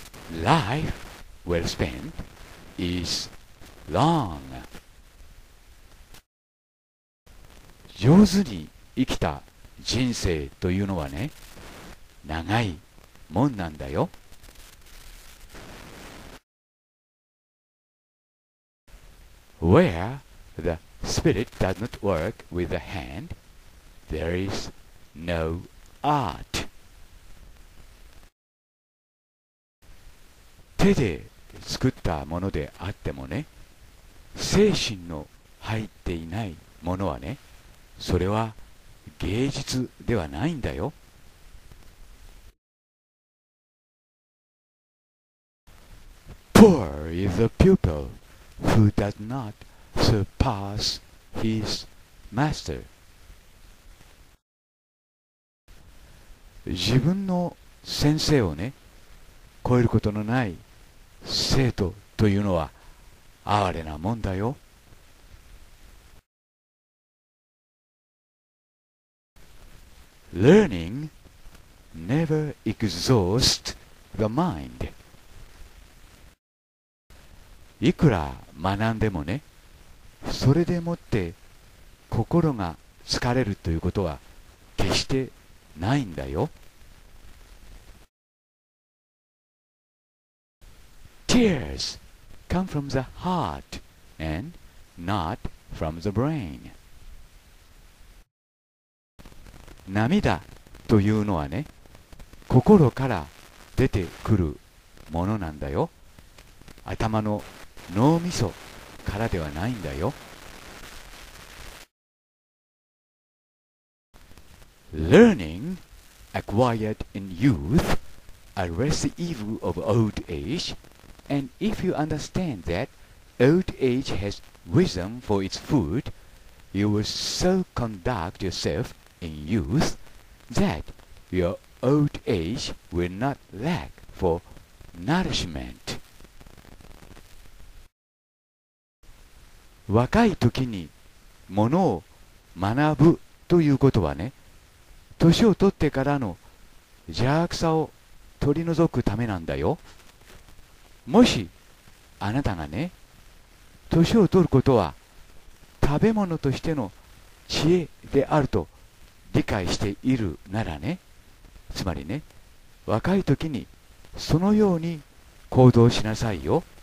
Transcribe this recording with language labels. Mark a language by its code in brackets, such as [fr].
[en] Life well spent is long. [ja] 上手に生きた人生というのはね、長いもんなんだよ。 [en] Where the spirit does not work with the hand, there is no art. [ja] 手で作ったものであってもね、精神の入っていないものはね、それは芸術ではないんだよ。 [en] Poor is the pupil who does not surpass his master. [ja] 自分の先生をね、超えることのない生徒というのは哀れなもんだよ。 [en] Learning never exhausts the mind. [ja] いくら学んでもね、それでもって心が疲れるということは決してないんだよ。 [en] Tears come from the heart and not from the brain. [ja] 涙というのはね、心から出てくるものなんだよ。頭の脳みそからではないんだよ。 [en] Learning acquired in youth arrests the evil of old age, and if you understand that old age has wisdom for its food, you will so conduct yourselfin youth that your old age will not lack for nourishment. [ja] 若い時にものを学ぶということはね、年を取ってからの邪悪さを取り除くためなんだよ。もしあなたがね、年を取ることは食べ物としての知恵であると理解しているならね、つまりね、若い時にそのように行動しなさいよ。